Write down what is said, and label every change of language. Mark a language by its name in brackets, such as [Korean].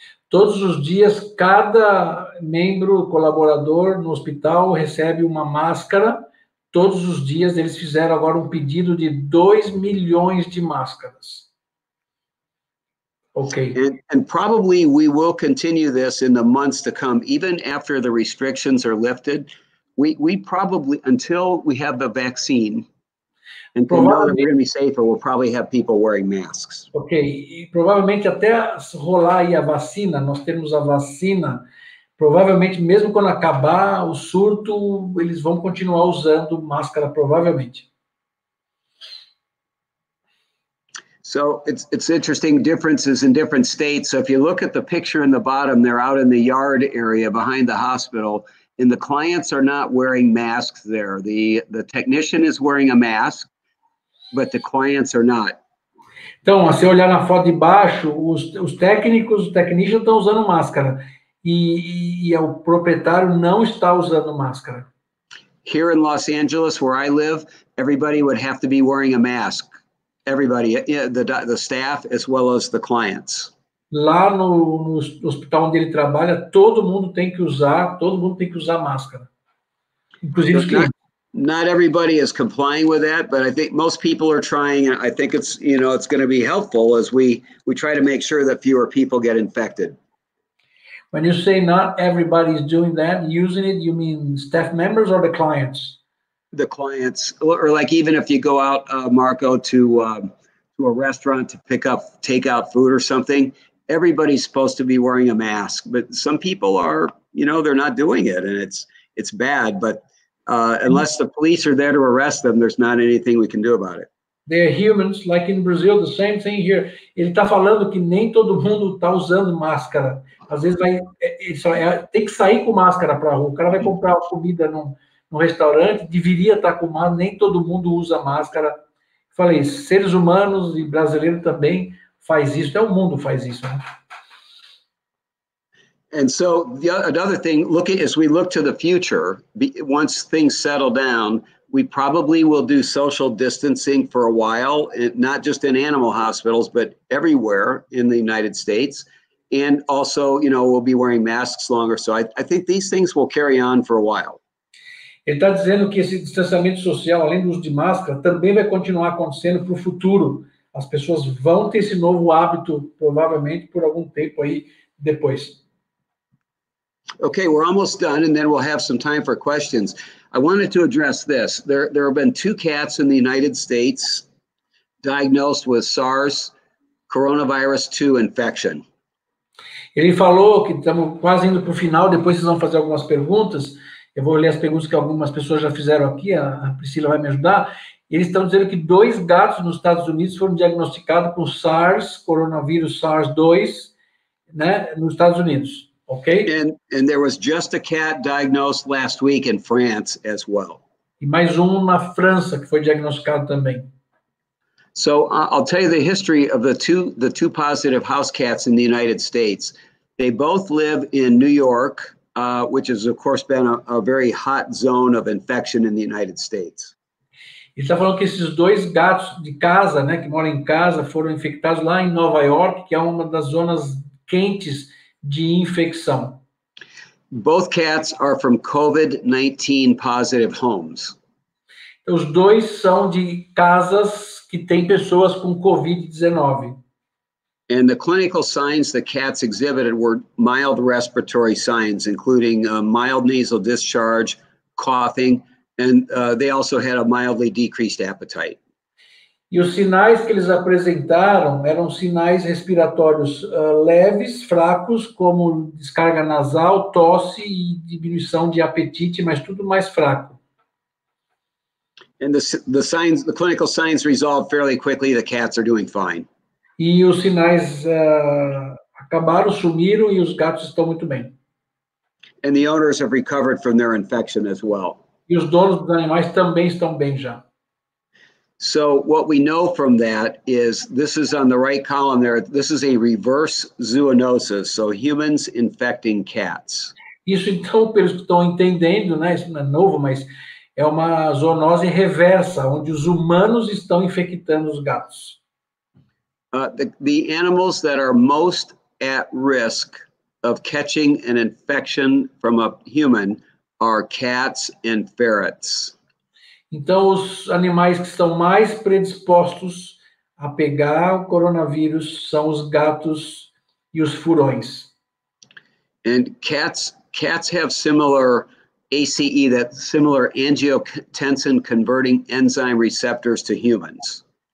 [Portuguese] Todos os dias, cada membro colaborador no hospital recebe uma máscara. Todos os dias, eles fizeram agora pedido de 2 milhões de máscaras. [English] Okay. And probably we will continue this in the months to come, even after the restrictions are lifted. We probably, until we have the vaccine, and we know that we're going to be safer, we'll probably have people wearing masks. [Portuguese] Okay, e provavelmente até rolar aí a vacina, nós temos a vacina, provavelmente mesmo quando acabar o surto, eles vão continuar usando máscara, provavelmente. [English] So it's interesting differences in different states. So if you look at the picture in the bottom, they're out in the yard area behind the hospital, and the clients are not wearing masks there. The technician is wearing a mask, but the clients are not. [Portuguese] Então, se olhar na foto de baixo, os técnicos, o technician estão usando máscara, e o proprietário não está usando máscara. [English] Here in Los Angeles, where I live, everybody would have to be wearing a mask. Everybody, the staff as well as the clients. [Portuguese] Lá no hospital onde ele trabalha, todo mundo tem que usar máscara. Inclusive os clientes. [English] Not everybody is complying with that, but I think most people are trying, and I think it's, you know, it's going to be helpful as we try to make sure that fewer people get infected. When you say not everybody is doing that, using it, you mean staff members or the clients? The clients, or like even if you go out, Marco, to a restaurant to pick up takeout food or something, everybody's supposed to be wearing a mask, but some people are, you know, they're not doing it, and it's bad, but unless the police are there to arrest them, there's not anything we can do about it. They're humans, like in Brazil, the same thing here. [Portuguese] Ele tá falando que nem todo mundo tá usando máscara. Às vezes vai, tem que sair com máscara pra rua, o cara vai comprar comida no restaurante, deveria estar com máscara, nem todo mundo usa máscara. Falei, seres humanos e brasileiro também faz isso, até o mundo faz isso. Né? [English] And so, another thing, as we look to the future, once things settle down, we probably will do social distancing for a while, not just in animal hospitals, but everywhere in the United States. And also, you know, we'll be wearing masks longer. So I think these things will carry on for a while. [Portuguese] Ele está dizendo que esse distanciamento social, além do uso de máscara, também vai continuar acontecendo para o futuro. As pessoas vão ter esse novo hábito, provavelmente, por algum tempo aí depois. [English] Okay, we're almost done, and then we'll have some time for questions. I wanted to address this. There have been two cats in the United States diagnosed with SARS coronavirus 2 infection. [Portuguese] Ele falou que estamos quase indo para o final, depois vocês vão fazer algumas perguntas. Eu vou ler as perguntas que algumas pessoas já fizeram aqui, a Priscila vai me ajudar. Eles estão dizendo que dois gatos nos Estados Unidos foram diagnosticados com SARS, coronavírus SARS-2, né, nos Estados Unidos, ok? [English] And there was just a cat diagnosed last week in France as well. [Portuguese] E mais um na França, que foi diagnosticado também. [English] So I'll tell you the history of the two positive house cats in the United States. They both live in New York, which has, of course, been a very hot zone of infection in the United States. [Portuguese] Ele está falando que esses dois gatos de casa, né, que moram em casa, foram infectados lá em Nova York, que é uma das zonas quentes de infecção. [English] Both cats are from COVID-19 positive homes. [Portuguese] Os dois são de casas que têm pessoas com COVID-19. [English] And the clinical signs the cats exhibited were mild respiratory signs, including a mild nasal discharge, coughing, and they also had a mildly decreased appetite. [Portuguese] E os sinais que eles apresentaram eram sinais respiratórios leves, fracos, como descarga nasal, tosse e diminuição de apetite, mas tudo mais fraco. [English] And the signs, the clinical signs resolved fairly quickly. The cats are doing fine. [Portuguese] E os sinais acabaram, sumiram e os gatos estão muito bem. [English] And the owners have recovered from their infection as well. [Portuguese] E os donos dos animais também estão bem já. [English] So what we know from that is, this is on the right column there, this is a reverse zoonosis, so humans infecting cats. [Portuguese] Isso então, pelos que estão entendendo, né, isso não é novo, mas é uma zoonose reversa, onde os humanos estão infectando os gatos. [English] The animals that are most at risk of catching an infection from a human are cats and ferrets. [Portuguese] Então, os animais que estão mais predispostos a pegar o coronavírus são os gatos e os furões. [English] And cats have similar ACE, that similar angiotensin converting enzyme receptors to humans.